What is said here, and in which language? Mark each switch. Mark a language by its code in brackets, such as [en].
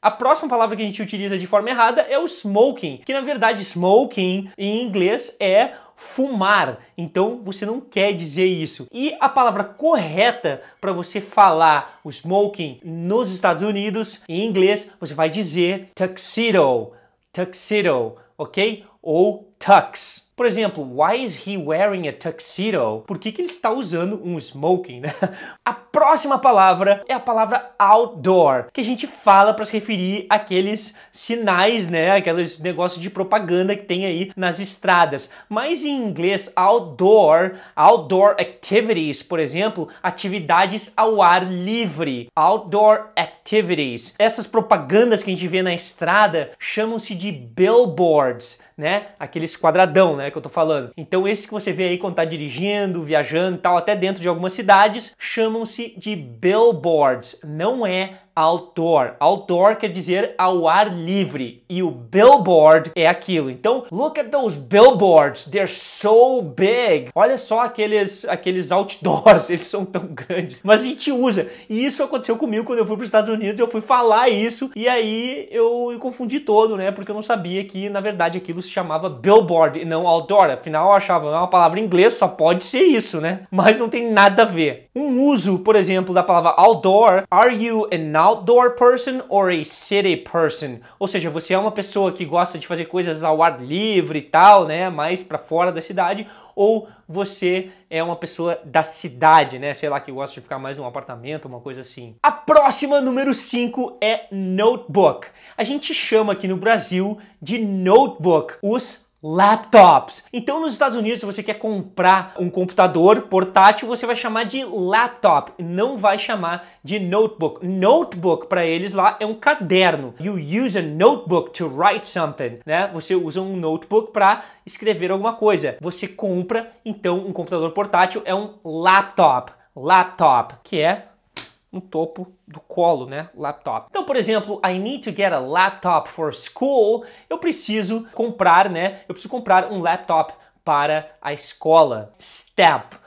[pt] A próxima palavra que a gente utiliza de forma errada é o smoking, que na verdade smoking em inglês é fumar, então você não quer dizer isso. E a palavra correta para você falar o smoking nos Estados Unidos em inglês, você vai dizer tuxedo, tuxedo, ok? Ou tux. Por exemplo, [en] why is he wearing a tuxedo? [pt] Por que que ele está usando um smoking, né? A próxima palavra é a palavra outdoor, que a gente fala para se referir àqueles sinais, né? Aqueles negócios de propaganda que tem aí nas estradas. Mas em inglês, outdoor, outdoor activities, por exemplo, atividades ao ar livre. Outdoor activities. Essas propagandas que a gente vê na estrada chamam-se de billboards, né? Aqueles quadradão, né, que eu tô falando. Então esses que você vê aí quando tá dirigindo, viajando e tal, até dentro de algumas cidades, chamam-se de billboards, não é outdoor. Outdoor quer dizer ao ar livre, e o billboard é aquilo. Então, [en] look at those billboards, they're so big. [pt] Olha só aqueles outdoors, eles são tão grandes. Mas a gente usa, e isso aconteceu comigo quando eu fui para os Estados Unidos, eu fui falar isso, e aí eu me confundi todo, né, porque eu não sabia que, na verdade, aquilo se chamava billboard e não outdoor. Afinal, eu achava, é uma palavra em inglês, só pode ser isso, né? Mas não tem nada a ver. Um uso, por exemplo, da palavra outdoor, [en] are you an outdoor person or a city person? [pt] Ou seja, você é uma pessoa que gosta de fazer coisas ao ar livre e tal, né? Mais pra fora da cidade, ou você é uma pessoa da cidade, né? Sei lá, que gosta de ficar mais num apartamento, uma coisa assim. A próxima, número 5, é notebook. A gente chama aqui no Brasil de notebook os laptops. Então, nos Estados Unidos, se você quer comprar um computador portátil, você vai chamar de laptop, não vai chamar de notebook. Notebook, para eles lá, é um caderno. [en] You use a notebook to write something, né? [pt] Você usa um notebook para escrever alguma coisa. Você compra, então, um computador portátil, é um laptop. Laptop, que é no topo do colo, né? Laptop. Então, por exemplo, [en] I need to get a laptop for school. [pt] Eu preciso comprar, né? Eu preciso comprar um laptop para a escola. Step.